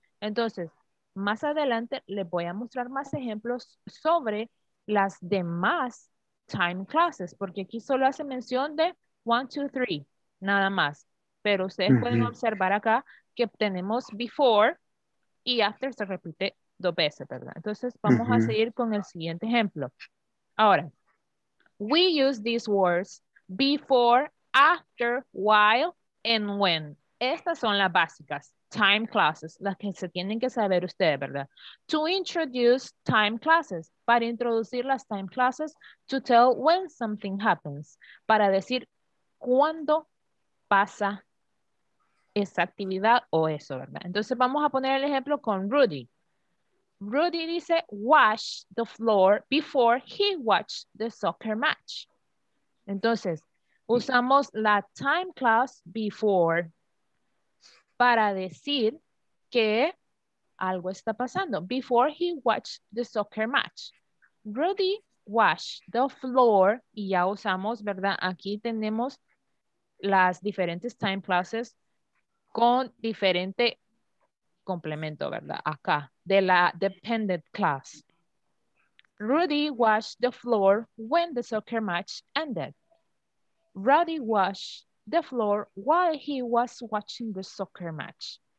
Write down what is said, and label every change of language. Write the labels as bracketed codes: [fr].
[es] Entonces, más adelante les voy a mostrar más ejemplos sobre las demás time clauses, porque aquí solo hace mención de 1, 2, 3, nada más. Pero ustedes pueden observar acá que tenemos before y after se repite dos veces, ¿verdad? Entonces, vamos a seguir con el siguiente ejemplo. Ahora, [en] we use these words before, after, while, and when. [es] Estas son las básicas, time clauses, las que se tienen que saber ustedes, ¿verdad? [en] To introduce time clauses, [es] para introducir las time clauses, [en] to tell when something happens, [es] para decir cuándo pasa esa actividad o eso, ¿verdad? Entonces vamos a poner el ejemplo con Rudy. Rudy dice, [en] wash the floor before he watched the soccer match. [es] Entonces, usamos la time clause before para decir que algo está pasando. [en] Before he watched the soccer match. Rudy washed the floor. [es] Y ya usamos, ¿verdad? Aquí tenemos las diferentes time clauses con diferente complemento, ¿verdad? Acá, de la dependent clause. [en] Rudy washed the floor when the soccer match ended. Rudy washed the floor while he was watching the soccer match.